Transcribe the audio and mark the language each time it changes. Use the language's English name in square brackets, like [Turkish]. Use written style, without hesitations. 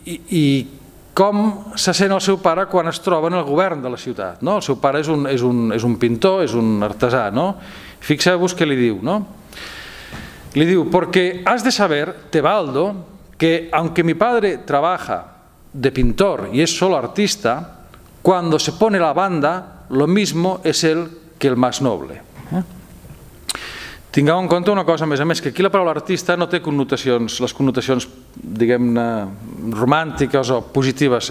[Catalan] I com se sent el seu pare quan es troba en el govern de la ciutat, no? El seu pare és un pintor, és un artesà, no? Fixeu-vos què li diu, no? Li diu: [Spanish] "Porque has de saber, Tebaldo, que aunque mi padre trabaja de pintor y es solo artista, cuando se pone la banda, lo mismo es él que el más noble." [Catalan] Tingueu en compte una cosa, a més, que aquí la paraula artista no té les connotacions, diguem-ne, romàntiques o positives.